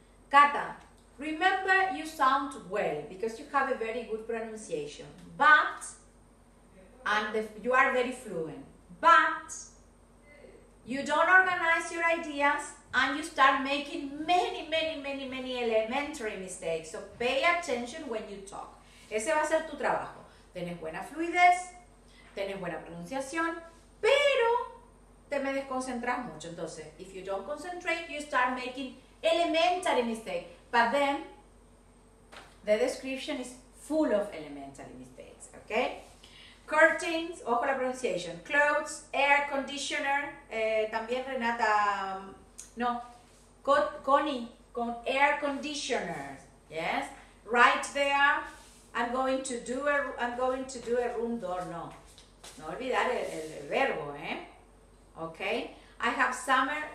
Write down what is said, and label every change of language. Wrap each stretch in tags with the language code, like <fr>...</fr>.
<en>Cata, remember you sound well because you have a very good pronunciation. But, you are very fluent. But, you don't organize your ideas and you start making many, many, many, many elementary mistakes. So pay attention when you talk.</en> <es>Ese va a ser tu trabajo. Tienes buena fluidez, tienes buena pronunciación, pero te me desconcentras mucho.</es> <en>Entonces, if you don't concentrate, you start making elementary mistakes. But then, the description is full of elementary mistakes, okay?</en> <es>Curtains, ojo la pronunciación.</es> <en>Clothes, air conditioner, también Renata, no, Connie, con air conditioner, yes? Right there. I'm going to do a room door.</en> <es>No, no olvidar el verbo, eh?</es> <en>Okay. I have summer.</en>